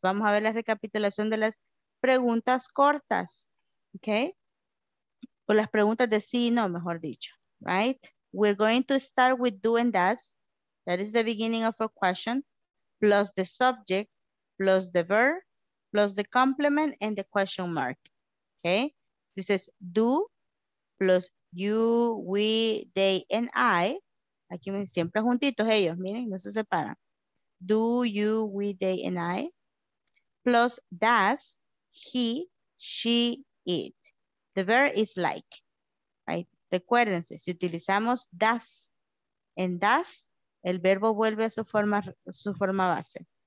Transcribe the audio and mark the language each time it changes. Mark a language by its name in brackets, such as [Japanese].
[Spanish] Vamos a ver la recapitulación de las preguntas cortas. Okay? O las preguntas de sí y no, mejor dicho. [English] Right? We're going to start with do and does. That is the beginning of a question. Plus the subject, plus the verb, plus the complement and the question mark. Okay? This is do plus you, we, they, and I. [Spanish] Aquí siempre juntitos ellos, miren, no se separan. [English] Do, you, we, they, and I. Plus does, he, she, it. The verb is like, right? [Spanish] Recuérdense, si utilizamos does en does, el verbo vuelve a su forma base.